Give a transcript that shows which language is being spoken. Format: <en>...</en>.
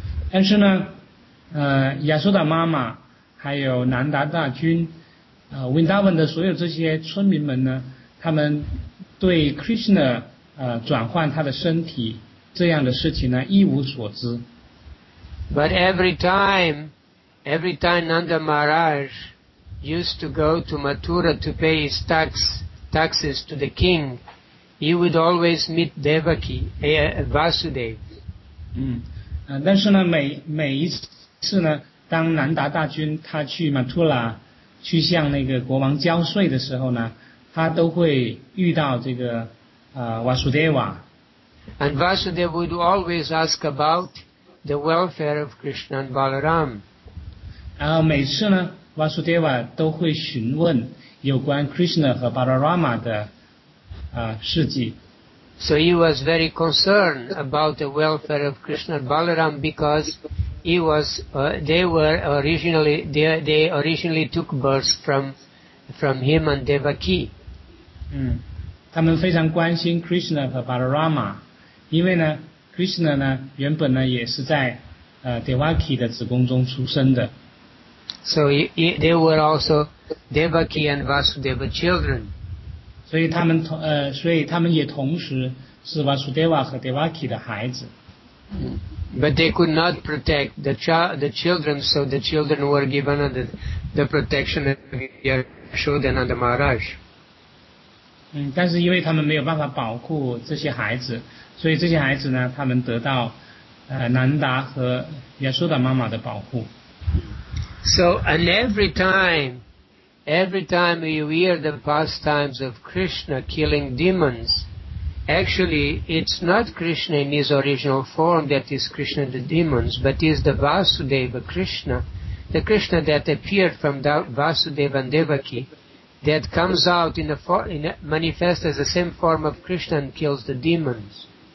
<zh>但是呢, 亚苏达妈妈, 还有南达大君, Vrindavan的所有这些村民们呢, 他们对Krishna, 转换他的身体, 这样的事情呢, 一无所知。</zh> <en>But every time Nanda Maharaj used to go to Mathura to pay his taxes to the king, he would always meet Devaki, Vasudeva.</en> <zh>但是呢，每一次呢，当南达大军他去马图拉去向那个国王交税的时候呢，他都会遇到这个Vasudeva。</zh> <en>And Vasudeva would always ask about the welfare of Krishna and Balaram.</en> <zh>然后每次呢，Vasudeva都会询问有关 Krishna 和 Balarama 的事迹。</zh> <en>So he was very concerned about the welfare of Krishna and Balaram because he was, they originally took birth from him and Devaki.</en> <zh>他们非常关心 Krishna 和 Balarama, 因为呢, Krishna 呢, 原本呢, 也是在, Devaki 的子宫中出生的。</zh> <en>So they were also Devaki and Vasudeva children.</en> <zh>所以他们也同时 是 Vasudeva 和 Devaki 的孩子。</zh> <en>But they could not protect the children, so the children were given the protection of Yashoda and the Maharaj.</en> <zh>但是因为他们没有办法保护这些孩子，所以这些孩子呢，他们得到南达和 Yashoda 妈妈的保护。</zh> <en>So, and every time you hear the pastimes of Krishna killing demons,Actually, it's not Krishna in his original form that is Krishna the demons, but is the Vasudeva Krishna, the Krishna that appeared from Vasudeva and Devaki, that comes out in the form, manifests as the same form of Krishna and kills the demons.</en>